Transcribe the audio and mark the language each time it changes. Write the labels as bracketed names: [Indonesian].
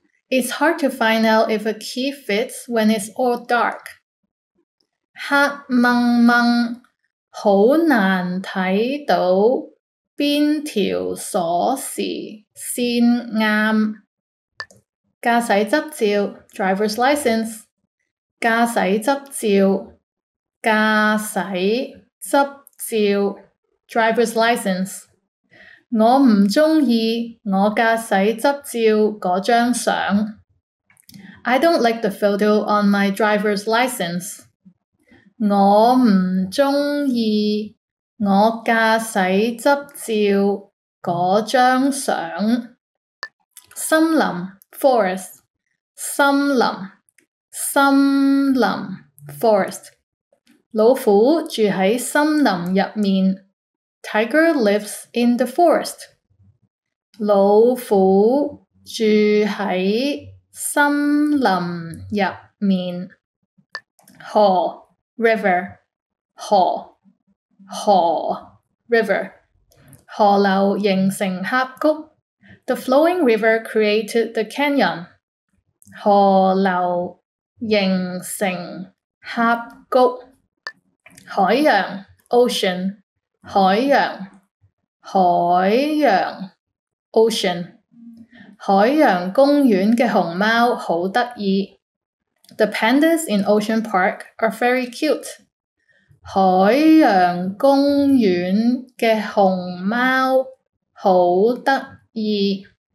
[English] It's hard to find out if a key fits when it's all dark. [Cantonese] 黑蒙蒙，好难睇到边条锁匙先啱。驾驶执照 driver's license， 驾驶执照，驾驶执照。 [English] Driver's license. [Cantonese] 我唔鍾意我驾驶执照嗰张相。 [English] I don't like the photo on my driver's license. [Cantonese] 我唔鍾意我驾驶执照嗰张相。森林 forest. 森林森林 forest. 老虎住喺森林入面。 [English] Tiger lives in the forest. [Cantonese] 老虎住喺森林入面。河 river， 河河 river， 河流形成峡谷。 [English] The flowing river created the canyon. [Cantonese] 河流形成峡谷。海洋 ocean， 海洋海洋 ocean。海洋公园的熊猫好得意。 [English] The pandas in Ocean Park are very cute. [Cantonese] 海洋公园的熊猫好得意。